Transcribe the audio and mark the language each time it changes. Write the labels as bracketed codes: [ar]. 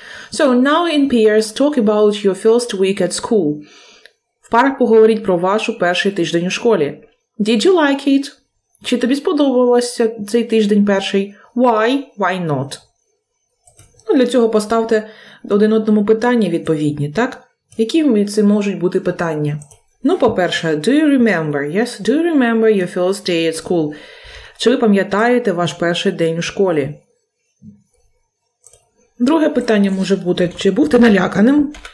[en] So, now in pairs, talk about your first week at school. [uk] В парах поговоріть про вашу перший тиждень у школі. [en] Did you like it? [uk] Чи тобі сподобалося цей тиждень перший? [en] Why? Why not? [uk] Ну, для цього поставте один одному питання відповідні, так? Які це можуть бути питання? Ну, по-перше, [en] do you remember? Yes, do you remember your first day at school? [uk] Чи ви пам'ятаєте ваш перший день у школі? Друге питання може бути, чи був ти наляканим?